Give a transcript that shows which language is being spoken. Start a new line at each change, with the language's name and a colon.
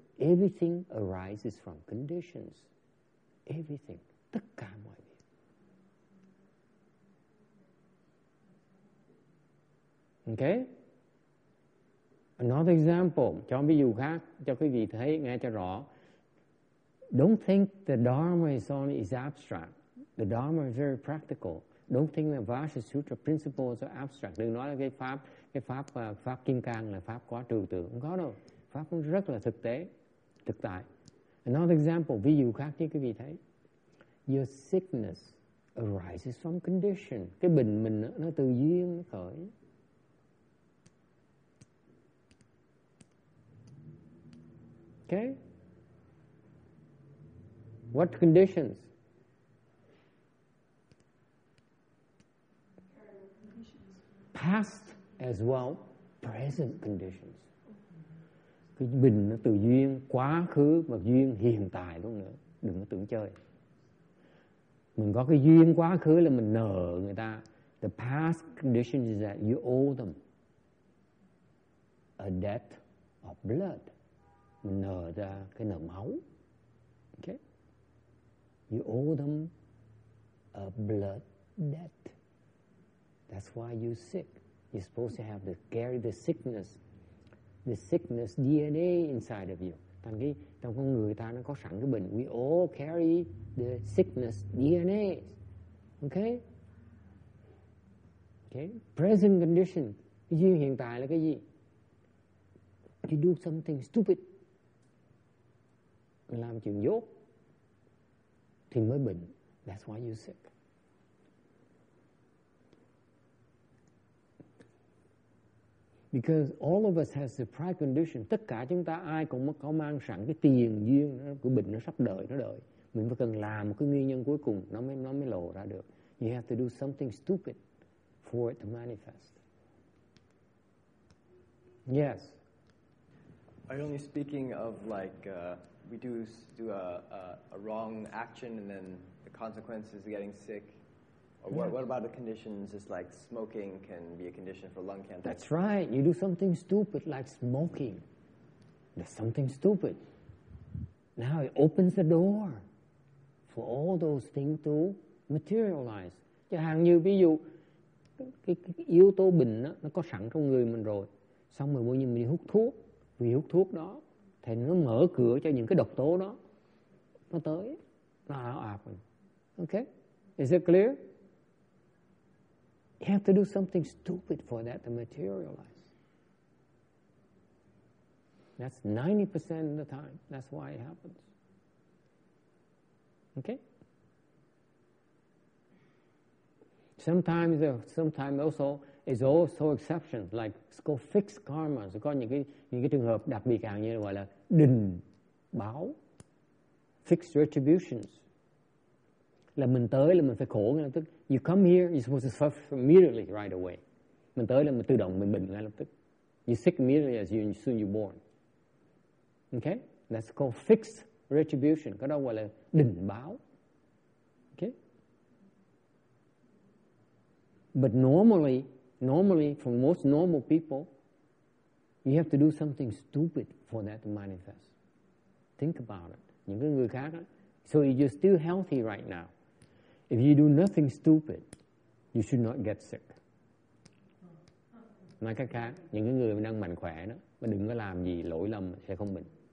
English: Everything arises from conditions. Everything,
Vietnamese: tất cả mọi việc.
English: Okay. Another example,
Vietnamese: cho ví dụ khác, cho quý vị thấy, nghe cho rõ.
English: Don't think the Dharma is only is abstract. The Dharma is very practical. Don't think the Vajra Sutra principles are abstract.
Vietnamese: Đừng nói là cái pháp Kim Cang là pháp quá trừu tượng. Không có đâu. Pháp cũng rất là thực tế, thực tại.
English: Another example,
Vietnamese: ví dụ khác cho quý vị thấy.
English: Your sickness arises from condition.
Vietnamese: Cái bệnh mình nó từ duyên khởi.
English: Okay. What conditions? Past as well, present conditions.
Vietnamese: Cái bình nó từ duyên quá khứ mà duyên hiện tại luôn nữa. Đừng có tưởng chơi. Mình có cái duyên quá khứ là mình nợ người ta.
English: The past condition is that you owe them a debt of blood.
Vietnamese: Mình nợ ra cái nợ máu.
English: Okay. You owe them a blood debt. That's why you're sick. You're supposed to have to carry the sickness DNA inside of you.
Vietnamese: Thành cái trong con người ta nó có sẵn cái bệnh.
English: We all carry the sickness DNA. Okay. Okay. Present condition.
Vietnamese: Như hiện tại là cái gì?
English: You do something stupid.
Vietnamese: Mình làm chuyện dốt thì mới bệnh.
English: That's why you're sick. Because all of us has the prior condition.
Vietnamese: Tất cả chúng ta ai cũng có mang sẵn cái tiền duyên của bệnh nó sắp đợi, nó đợi. Mình phải cần làm một cái nguyên nhân cuối cùng nó mới lộ ra được.
English: You have to do something stupid for it to manifest. Yes. Are you only speaking of like we do a wrong action and then the consequence is getting sick? Or what about the conditions? It's like smoking can be a condition for lung cancer. That's right. You do something stupid like smoking. That's something stupid. Now it opens the door for all those things to materialize.
Vietnamese: Chẳng hạn như ví dụ cái yếu tố bệnh đó, nó có sẵn trong người mình rồi. Xong rồi bao nhiêu mình đi hút thuốc. Vì hút thuốc đó thì nó mở cửa cho những cái độc tố đó nó tới, nó ảo ạt.
English: Okay, is it clear? You have to do something stupid for that to materialize. That's 90% of the time. That's why it happens. Okay. Sometimes also is also exceptions like called fixed karma.
Vietnamese: So có những cái trường hợp đặc biệt hàng như gọi là đình báo, fixed retributions. Là mình tới là mình phải khổ ngay lập tức.
English: You come here, you're supposed to suffer immediately right away.
Vietnamese: Mình tới là mình tự động mình bệnh ngay lập tức.
English: You sick immediately as you soon you born. Okay, that's called fixed retribution.
Vietnamese: Cái đó gọi là đình báo. Okay.
English: But normally for most normal people, you have to do something stupid for that to manifest. Think about it.
Vietnamese: Những người khác,
English: so you're still healthy right now. If you do nothing stupid, you should not get sick.
Vietnamese: Nói cách khác, những cái người đang mạnh khỏe đó, mà đừng có làm gì lỗi lầm sẽ không bệnh.